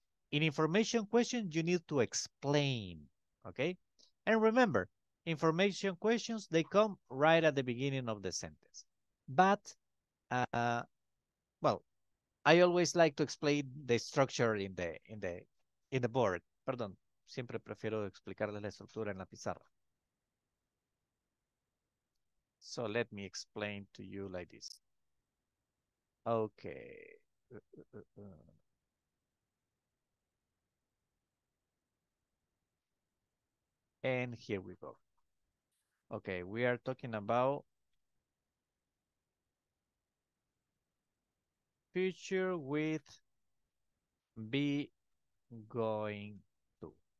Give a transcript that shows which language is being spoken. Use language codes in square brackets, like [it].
[en] In information questions, you need to explain, okay? And remember, information questions, they come right at the beginning of the sentence. But, well, I always like to explain the structure in the board. [es] Perdón, siempre prefiero explicarles la estructura en la pizarra. [en] So let me explain to you like this. Okay. And here we go. Okay, we are talking about future with be going to.